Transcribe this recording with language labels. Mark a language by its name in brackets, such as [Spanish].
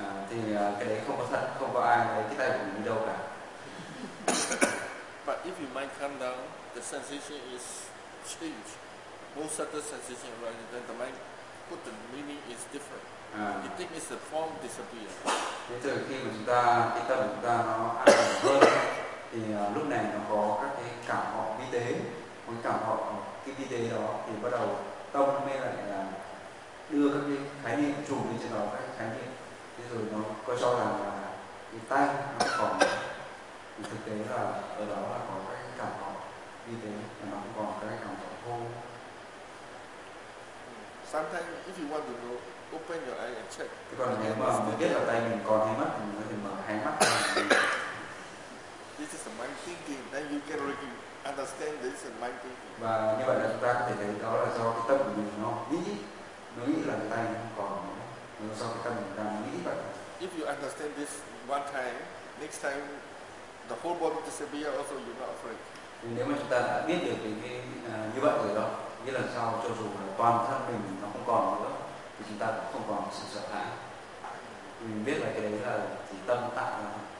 [Vietnamese] Thì cái đấy không có thật, không có ai lấy cái tay của mình đi đâu cả. [English] But if your mind calm down, the sensation is changed. Most subtle sensation arises, then the mind put the meaning is different. You think it's the form disappear. [Vietnamese] Thế từ khi mà chúng ta cái tâm chúng ta nó an lành hơn thì lúc này nó có các cái cảm họ vi tế, cái cảm họ cái vi tế đó thì bắt đầu tâm mới lại là đưa các cái khái niệm trùm lên trên đó, các cái khái niệm, thế rồi nó có cho rằng là cái tay nó còn, thì thực tế là ở đó là có các cái cảm họ vi tế và nó cũng còn các cái cảm họ hô. [English] Sometimes if you want to know, open your eye and check. [Vietnamese] Thế còn nếu mà mình biết là tay mình còn hay mất thì mình có thể mở hai mắt ra. [English] This is a mind thinking. Then you can really understand this is mind thinking. [Vietnamese] Và như vậy là chúng ta có thể thấy đó là do cái tâm của mình nó nghĩ là tay không còn nữa. Nó do cái tâm mình đang nghĩ vậy. [English] If you understand this one time, next time the whole body disappear also you're not afraid. [Vietnamese] Thì nếu mà chúng ta đã biết được như vậy rồi đó, nghĩa là sao cho dù là toàn thân mình nó không còn nữa, thì chúng ta cũng không còn sự sợ hãi. Mình biết là cái đấy là chỉ tâm tạo ra.